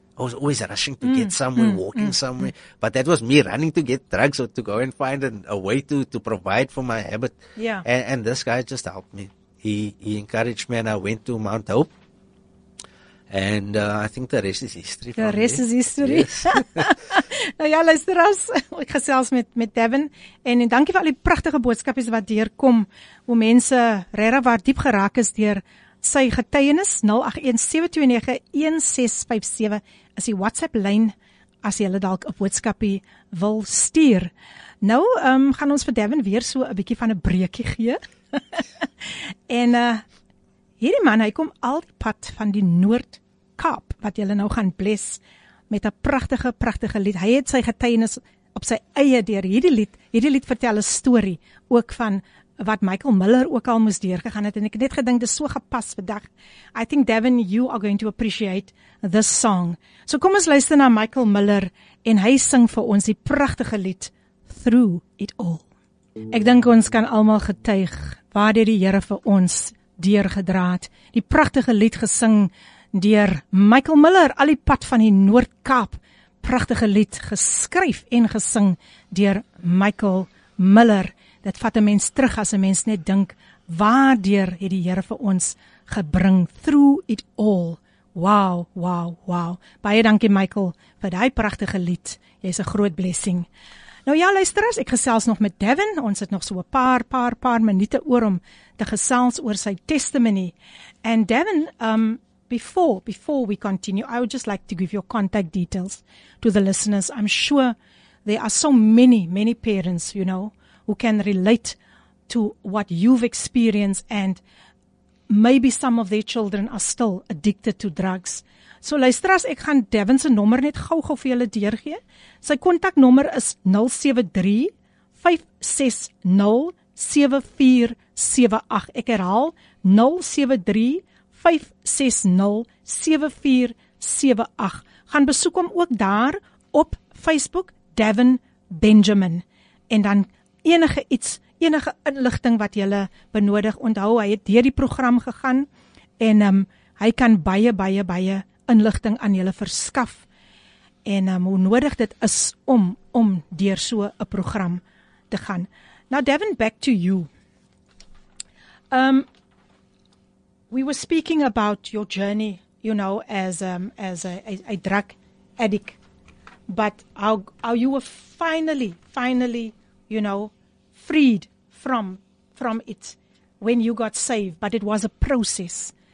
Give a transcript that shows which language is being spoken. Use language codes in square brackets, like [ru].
[en] I was always rushing to get somewhere, walking somewhere. But that was me running to get drugs, or to go and find a way to provide for my habit. Yeah. And this guy just helped me. He encouraged me, and I went to Mount Hope. And I think the rest is history. The rest is history. Yes. [af] Nou ja, luisteraars, ek gesels met Devin. En dankie vir al die pragtige boodskapies wat deurkom, hoe mense regtig waar diep geraak is deur Sy getuienis 0817291657 is die WhatsApp lyn as jy hulle dalk 'n boodskapie wil stuur. Nou gaan ons vir Devin weer so 'n bietjie van 'n breekie gee. En hierdie man, hy kom al die pad van die Noord-Kaap wat jy nou gaan bless met 'n pragtige pragtige lied. Hy het sy getuienis op sy eie deur hierdie lied vertel 'n storie ook van wat Michael Miller ook al moes deurgegaan het en ek het net gedink dis so gepas vandag. [en] I think Devin, you are going to appreciate this song. [af] So kom ons luister na Michael Miller en hy sing vir ons die pragtige lied Through It All. Ek dink ons kan almal getuig waardeur die Here vir ons deurgedra het. Die pragtige lied gesing deur Michael Miller al die pad van die Noord-Kaap. Pragtige lied geskryf en gesing deur Michael Miller. Dit vat 'n mens terug as 'n mens net dink waardeur het die Here vir ons gebring [en] through it all. [af] Wow, wow, wow. Baie dankie Michael vir daai pragtige lied. Jy's 'n groot blessing. Nou ja, luisteraars, ek gesels nog met Devin. Ons het nog so 'n paar minute oor om te gesels oor sy testimony. [en] And Devin, before we continue, I would just like to give your contact details to the listeners. I'm sure there are so many, many parents, you know, who can relate to what you've experienced and maybe some of their children are still addicted to drugs. [af] So luisteraars, ek gaan Devin se nommer net gou-gou vir julle deurgee. Sy kontaknommer is 0735607478. Ek herhaal 0735607478. Gaan besoek hom ook daar op Facebook Devin Benjamin en dan enige inligting wat jy benodig. Onthou, hy het deur die program gegaan en hy kan baie inligting aan jy verskaf en hoe nodig dit is om deur so 'n program te gaan. [en] Now, Devin, back to you. We were speaking about your journey, you know, as a drug addict, but how you were finally, you know, freed from it when you got saved, but it was a process.